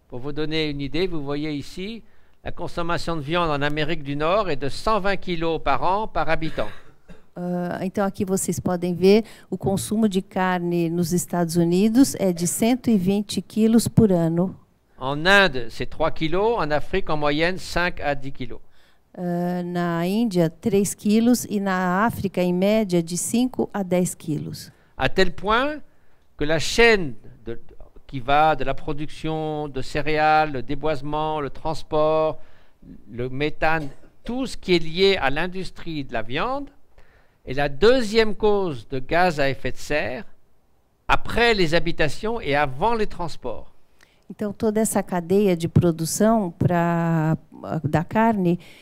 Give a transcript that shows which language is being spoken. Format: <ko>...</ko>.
<fr>Pour vous donner une idée, vous voyez ici, la consommation de viande en Amérique du Nord est de 120 kg par an par habitant.</fr> <pt>Então aqui vocês podem ver o consumo de carne nos Estados Unidos é de 120 quilos por ano.</pt> <fr>En Inde, c'est 3 kilos. En Afrique, en moyenne, 5 à 10 kilos.</fr> <pt>Na Índia, 3 quilos. E na África, em média, de 5 a 10 quilos.</pt> <fr>À tel point que la chaîne qui va de la production de céréales, le déboisement, le transport, le méthane, tout ce qui est lié à l'industrie de la viande, est la deuxième cause de gaz à effet de serre après les habitations et avant les transports.</fr> <pt>Então toda essa cadeia de produção da carne,</pt>